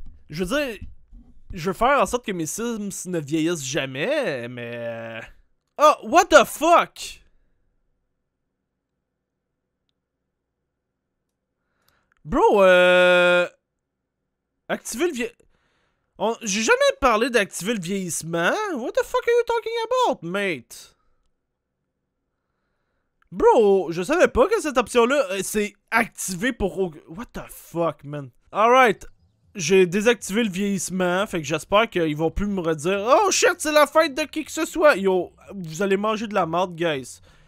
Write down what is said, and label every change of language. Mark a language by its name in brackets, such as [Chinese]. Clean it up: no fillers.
[French] Je veux dire... Je veux faire en sorte que mes Sims ne vieillissent jamais, mais... [English] Oh, what the fuck? [French] Bro, activer le vieil... J'ai jamais parlé d'activer le vieillissement. [English] What the fuck are you talking about, mate? [French] Bro, je savais pas que cette option-là, c'est activé pour... [English] What the fuck, man? Alright, [French] j'ai désactivé le vieillissement, fait que j'espère qu'ils vont plus me redire « [English] Oh shit, [French] c'est la fête de qui que ce soit! » [English] Yo, [French] vous allez manger de la merde, guys.